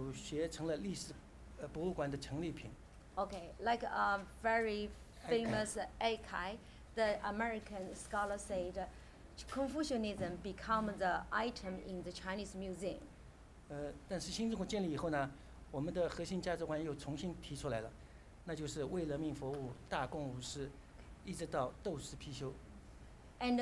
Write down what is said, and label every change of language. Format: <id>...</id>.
<zh>就像一位美国学者叫艾凯讲的，他说，那个儒学成了历史博物馆的陈列品。</zh> <en>Okay, like a very famous Aikai, the American scholar said, Confucianism become the item in the Chinese museum.</en> <zh>但是新中国建立以后呢，我们的核心价值观又重新提出来了，那就是为人民服务、大公无私，一直到斗士辟休。</zh> <en>And</en>